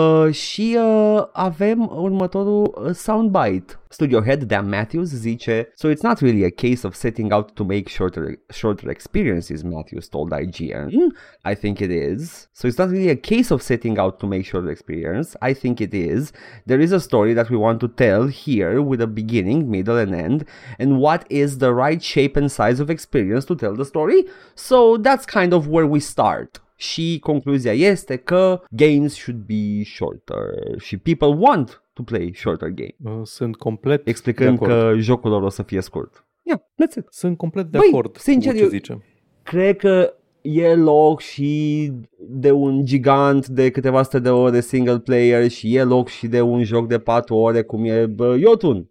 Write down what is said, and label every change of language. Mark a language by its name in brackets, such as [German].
[Romanian] Și avem următorul soundbite. [English] Studio head Dan Matthews zice: "So it's not really a case of setting out to make shorter experiences," Matthews told IGN. "I think it is. So it's not really a case of setting out to make shorter experience. I think it is. There is a story that we want to tell here with a beginning, middle and end. And what is the right shape and size of experience to tell the story? So that's kind of where we start." Și concluzia este că games should be shorter și people want to play shorter game. [Romanian] Sunt complet explicând de acord. Că jocul lor o să fie scurt. [English] Yeah, that's it. [Romanian] Sunt complet de acord. Sincer, cu ce zice. Cred că e loc și de un gigant de câteva sute de ore single player și e loc și de un joc de 4 ore cum e Jotun.